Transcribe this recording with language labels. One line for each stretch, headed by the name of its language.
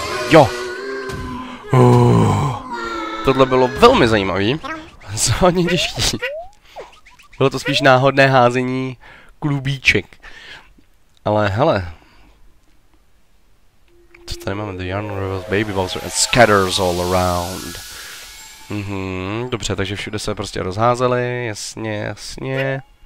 Czech: Jo! Tohle bylo velmi zajímavý. Hodně těžký. Bylo to spíš náhodné házení klubíček. Ale hele. Co tady máme?
English: The Yarn Rivers, Baby Balls and Scatters All Around.
Czech: Dobře, takže všude se prostě rozházeli, jasně, jasně.